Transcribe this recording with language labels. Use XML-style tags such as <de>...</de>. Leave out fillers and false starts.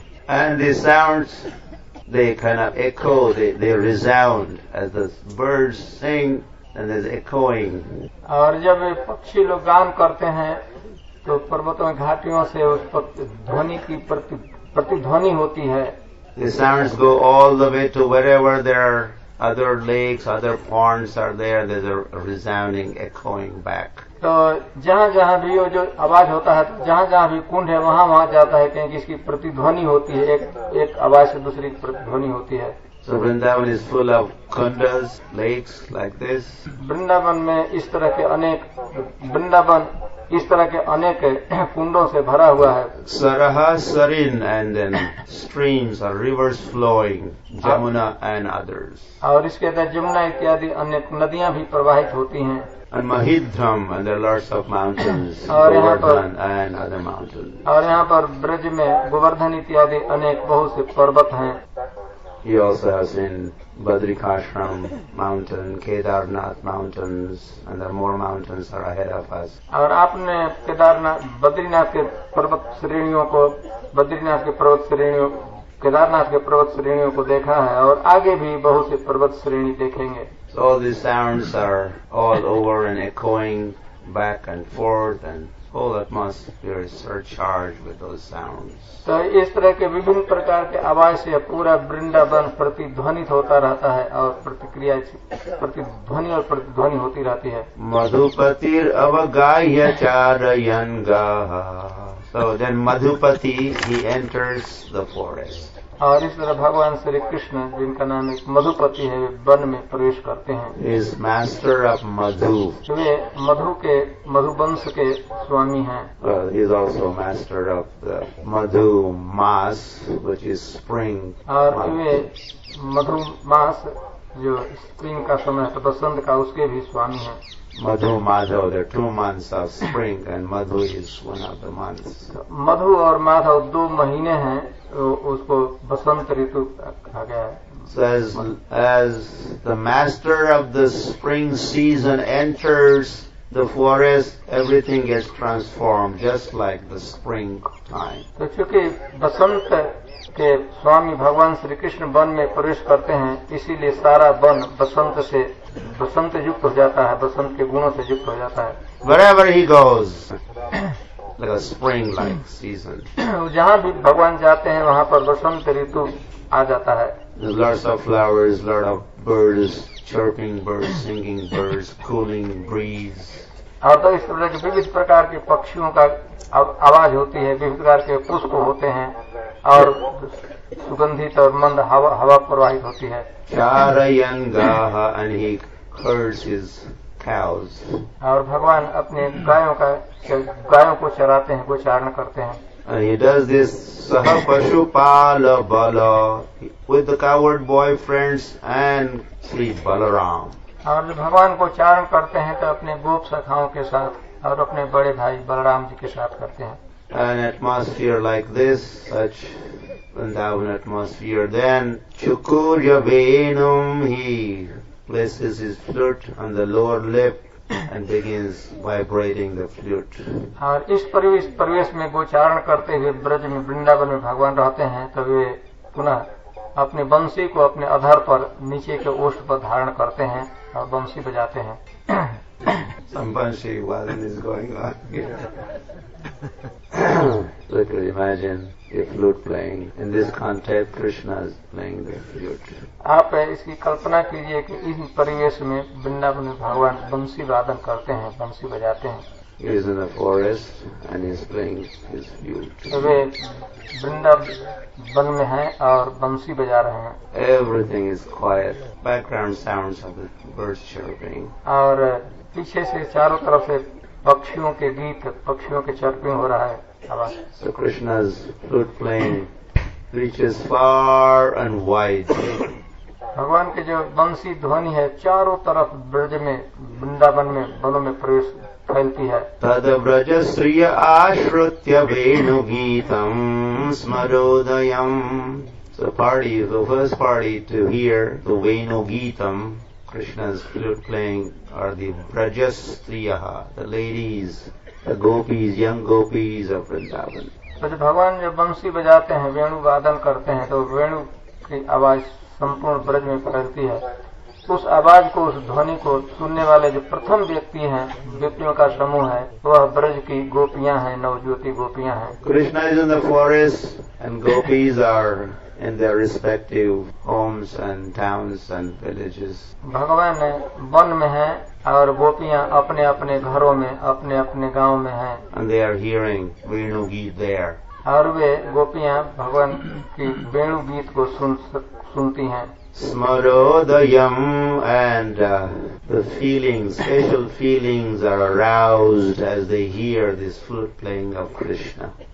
<en>And the sounds they kind of echo, they resound as the birds sing. And there's echoing.</en> <hi>और जब पक्षी लोग गान करते हैं तो पर्वतों में घाटियों से उस ध्वनि की प्रतिध्वनि होती है.</hi> <en>The sounds go all the way to wherever there are other lakes, other ponds are there. There's a resounding echoing back.</en> <hi>तो जहाँ जहाँ भी वो जो आवाज होता है, जहाँ जहाँ भी कुंड है वहाँ वहाँ जाता है, क्योंकि इसकी प्रतिध्वनि होती है, एक आवाज से दूसरी प्रतिध्वनि होती है.</hi> <en>So Vrindavan is full of kundas, lakes like this.</en> <hi>Vrindavan mein is tarah ke anek Vrindavan इस तरह के अनेक कुंडों से भरा हुआ है.</hi> <sa>सरहा सरिन</sa> <en>And then streams और rivers flowing Jamuna and others.</en> <hi>और इसके अंदर जमुना इत्यादि अन्य नदियां भी प्रवाहित होती हैं.</hi> <en>And Mahidhram and the lords of mountains Govardhan and other mountains.</en> <hi>और यहाँ पर ब्रज में गोवर्धन इत्यादि अनेक बहुत से पर्वत हैं.</hi> <en>He also has in Badrikashram mountain, Kedarnath mountains, and there are more mountains are ahead of us.</en> <hi>और आपने केदारनाथ, बद्रीनाथ के पर्वत श्रेणियों को, बद्रीनाथ के पर्वत श्रेणियों, केदारनाथ के पर्वत श्रेणियों को देखा है और आगे भी बहुत से पर्वत श्रेणी देखेंगे.</hi> <en>So all these sounds are all over and echoing back and forth and whole atmosphere is surcharged with those sounds.</en> <hi>तो इस तरह के विभिन्न प्रकार के आवाज से पूरा वृंदावन प्रतिध्वनित होता रहता है और प्रतिक्रिया प्रतिध्वनि और प्रतिध्वनि होती रहती है.</hi> <sa>मधुपतिर अवगाह्य चारयन गाह.</sa> <en>So then Madhupati, he enters the forest.</en> <hi>और इस तरह भगवान श्री कृष्ण जिनका नाम मधुपति है वन में प्रवेश करते हैं.</hi> <en>Is master of Madhu.</en> <hi>वे मधु के मधुवंश के स्वामी हैं.</hi> <en>Is also master of the Madhu Maas which is spring.</en> <hi>और वे मधु मास जो स्प्रिंग का समय है बसंत का उसके भी स्वामी हैं.</hi> <en>Madhu Madhav the two months of spring and Madhu is one of the months.</en> <hi>मधु और माधव दो महीने हैं उसको बसंत ऋतु कहा गया है.</hi> <en>So as the master of the spring season enters the forest, everything gets transformed just like the spring time.</en> <hi>तो चूंकि बसंत के स्वामी भगवान श्री कृष्ण वन में प्रवेश करते हैं इसीलिए सारा वन बसंत से बसंत युक्त हो जाता है, बसंत के गुणों से युक्त हो जाता है.</hi> <en>Wherever he goes, like a spring-like season.</en> <hi>जहाँ भी भगवान जाते हैं वहाँ पर बसंत ऋतु आ जाता है.</hi> <en>Lots of flowers, lot of birds, chirping birds, singing birds, cooling breeze.</en> <hi>और तो इस तरह के विविध प्रकार के पक्षियों का आवाज होती है, विविध प्रकार के पुष्प होते हैं और सुगंधित और मंद हवा प्रवाहित होती है.</hi> <sa>चारयन गाह</sa> <en>And he herds his cows.</en> <hi>और भगवान अपने गायों को चराते हैं, गोचारण करते हैं.</hi> <en>And he does this</en> <sa>सह पशुपाल बल</sa> <en>With the cowherd boy friends and Shri Balram.</en> <hi>और भगवान को चारण करते हैं तो अपने गोप सखाओं के साथ और अपने बड़े भाई बलराम जी के साथ करते हैं.</hi> <en>An atmosphere like this, such Vrindavan atmosphere, then Chukurya Venum, he places his flute on the lower lip and begins vibrating the flute.</en> <hi>और इस परिवेश में गोचारण करते हुए ब्रज में वृंदावन में भगवान रहते हैं तो वे पुनः अपने बंसी को अपने अधर पर नीचे के ओष्ठ पर धारण करते हैं और बंसी बजाते हैं.</hi> <en>Some bansi wailing is going on here. So you can imagine a flute playing. In this context, Krishna is playing the flute.</en> <hi>आप इसकी कल्पना कीजिए कि इस परिवेश में वृंदावन में भगवान बंसी वादन करते हैं, बंसी बजाते हैं.</hi> <en>He is in the forest and he is playing his flute.</en> <hi>तो वे वृंदावन में हैं और बंसी बजा रहे हैं.</hi> <en>Everything is quiet. Background sounds of the birds chirping.</en> <hi>और पीछे से चारों तरफ से पक्षियों के गीत, पक्षियों के चर्पिंग हो रहा है.</hi> <en>So Krishna's flute playing reaches far and wide.</en> <hi>भगवान के जो बंसी ध्वनि है चारों तरफ ब्रज में, वृंदावन में, बनों में प्रवेश फैलती है.</hi> <sa>तद ब्रज श्रिय आश्रुत्य वेणु GITAM स्मरोदयम.</sa> <en>So party, the first party to hear the Venu Geetam, Krishna's flute playing, are the Brajastriyaha, the ladies, the gopis, young gopis of Vrindavan.</en> <hi>जब भगवान जब बंसी बजाते हैं, वेणु वादन करते हैं, तो वेणु की आवाज संपूर्ण ब्रज में फैलती है. उस आवाज को, उस ध्वनि को सुनने वाले जो प्रथम व्यक्ति हैं, व्यक्तियों का समूह है, वह ब्रज की गोपियां हैं, नवज्योति गोपियां हैं.</hi> <en>Krishna is in the forest and gopis are in their respective homes and towns and villages.</en> <hi>भगवान वन में हैं और गोपियां अपने अपने घरों में, अपने अपने गांव में हैं.</hi> <en>And they are hearing Venu Geet there.</en> <hi>और वे गोपियां भगवान की वेणु गीत को सुनती हैं।</hi> <en>Smarodayam and the feelings, special feelings are aroused as they hear this flute playing of Krishna.</en>